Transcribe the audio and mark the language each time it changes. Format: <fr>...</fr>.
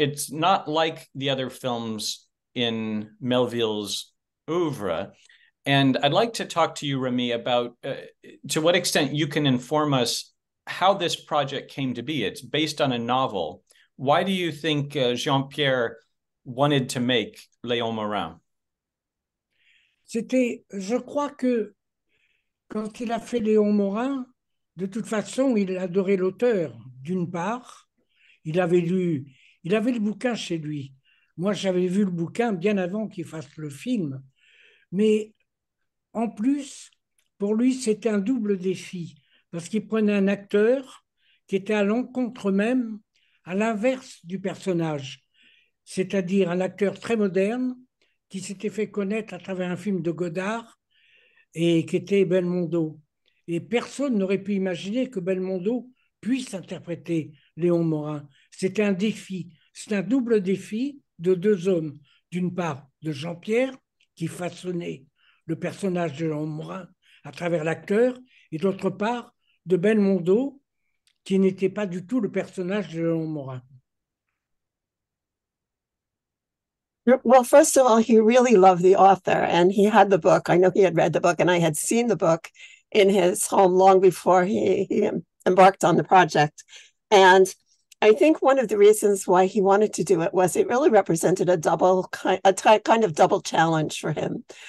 <en>It's not like the other films in Melville's oeuvre. And I'd like to talk to you, Remy, about to what extent you can inform us how this project came to be. It's based on a novel. Why do you think Jean-Pierre wanted to make Léon Morin?</en> <fr>C'était, je crois que quand il a fait Léon Morin, de toute façon, il adorait l'auteur, d'une part. Il avait le bouquin chez lui. Moi, j'avais vu le bouquin bien avant qu'il fasse le film. Mais en plus, pour lui, c'était un double défi. Parce qu'il prenait un acteur qui était à l'encontre même, à l'inverse du personnage. C'est-à-dire un acteur très moderne, qui s'était fait connaître à travers un film de Godard et qui était Belmondo. Et personne n'aurait pu imaginer que Belmondo puisse interpréter Léon Morin. C'était un défi. C'est un double défi de deux hommes. D'une part, de Jean-Pierre, qui façonnait le personnage de Léon Morin à travers l'acteur, et d'autre part, de Belmondo, qui n'était pas du tout le personnage de Léon Morin.</fr> <en>Well, first of all, he really loved the author and he had the book. I know he had read the book and I had seen the book in his home long before he embarked on the project. And I think one of the reasons why he wanted to do it was it really represented a kind of double challenge for him.</en>